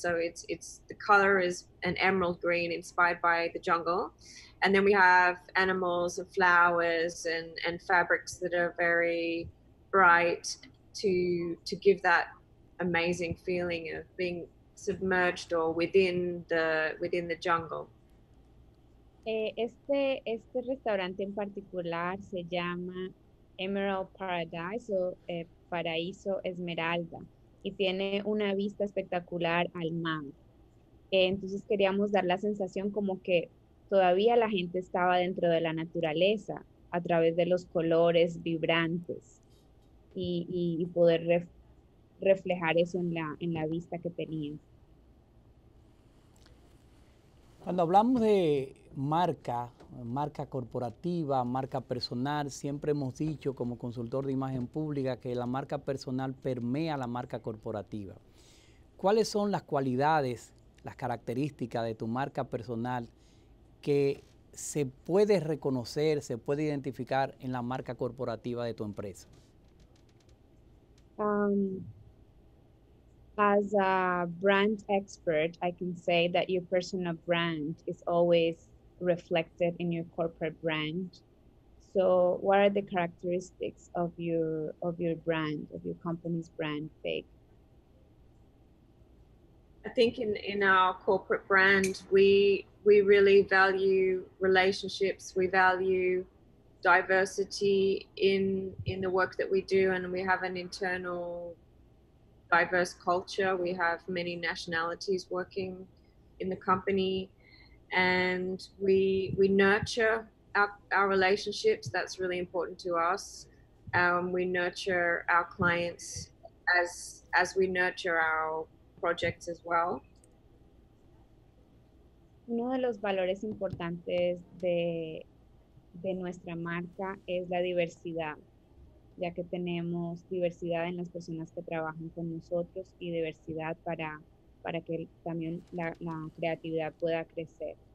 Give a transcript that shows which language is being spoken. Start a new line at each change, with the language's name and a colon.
English: So it's the color is an emerald green inspired by the jungle. And then we have animals and flowers and fabrics that are very bright to give that amazing feeling of being submerged or within the jungle.
Spanish: Este restaurante en particular se llama Emerald Paradise o Paraíso Esmeralda y tiene una vista espectacular al mar. Entonces queríamos dar la sensación como que todavía la gente estaba dentro de la naturaleza a través de los colores vibrantes y poder reflejar eso en la vista que tenían. Cuando hablamos de marca corporativa, marca personal, siempre hemos dicho como consultor de imagen pública que la marca personal permea la marca corporativa. ¿Cuáles son las cualidades, las características de tu marca personal que se puede reconocer, se puede identificar en la marca corporativa de tu empresa?
English: As a brand expert, I can say that your personal brand is always reflected in your corporate brand. So what are the characteristics of your brand, of your company's brand, Big? I think in our corporate brand, we really value relationships. We value diversity in the work that we do, and we have an internal diverse culture. We have many nationalities working in the company, and we nurture our relationships. That's really important to us. We nurture our clients as we nurture our projects as well.
Spanish: Uno de los valores importantes de nuestra marca es la diversidad, ya que tenemos diversidad en las personas que trabajan con nosotros y diversidad para que también la creatividad pueda crecer.